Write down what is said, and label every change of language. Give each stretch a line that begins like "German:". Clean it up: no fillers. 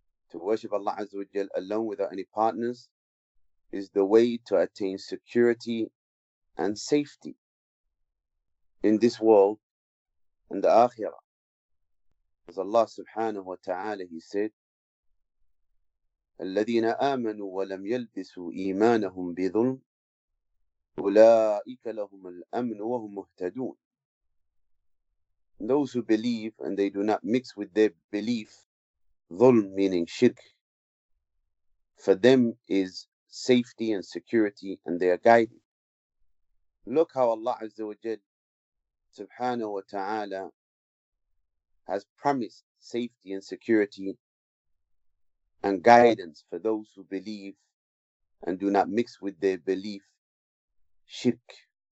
English: To worship Allah Azza wa Jal alone without any partners is the way to attain security and safety in this world and the Akhirah. As Allah subhanahu wa ta'ala, He said,
Arabic: الَّذِينَ آمَنُوا وَلَمْ يَلْبِسُوا إِيمَانَهُمْ بِذُلْمٍ أولئك لهم الأمن وهم مهتدون.
English: Those who believe and they do not mix with their belief, ظلم meaning shirk, for them is safety and security and they are guided. Look how Allah Azza wa Jal Subhanahu wa Ta'ala has promised safety and security and guidance for those who believe and do not mix with their belief, shirk.